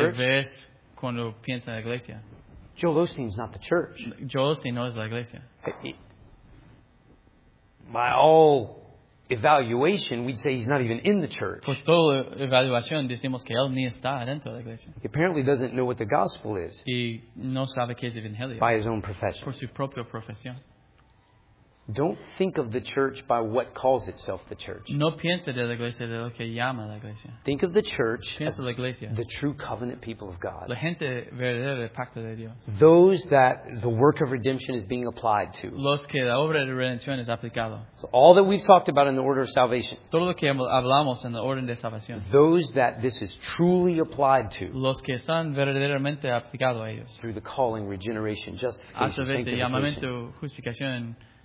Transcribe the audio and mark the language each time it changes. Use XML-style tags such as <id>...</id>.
<es>Lo que ves cuando piensa en la iglesia.</es> <en>Joel Osteen's not the church.</en> <es>Joel Osteen no es la iglesia.</es> <en>By all evaluation, we'd say he's not even in the church.</en> <es>Por toda evaluación, decimos que él ni está dentro de la iglesia.</es> <en>He apparently doesn't know what the gospel is.</en> <es>Y no sabe qué es el evangelio.</es> <en>By his own profession.</en> <es>Por su propia profesión.</es> <en>Don't think of the church by what calls itself the church.</en> <es>No piensa de la iglesia de lo que llama la iglesia.</es> <en>Think of the church.</en> <es>Piensa la iglesia.</es> <en>The true covenant people of God.</en> <es>La gente verdadera del pacto de Dios.</es> <en>Those that the work of redemption is being applied to.</en> <es>Los que la obra de redención es aplicado.</es> <en>So all that we've talked about in the order of salvation.</en> <es>Todo lo que hablamos en la orden de salvación.</es> <en>Those that this is truly applied to.</en> <es>Los que están verdaderamente aplicado a ellos.</es> <en>Through the calling, regeneration, justification,</en> <es>sanctification. A través del llamamiento, justificación.</es>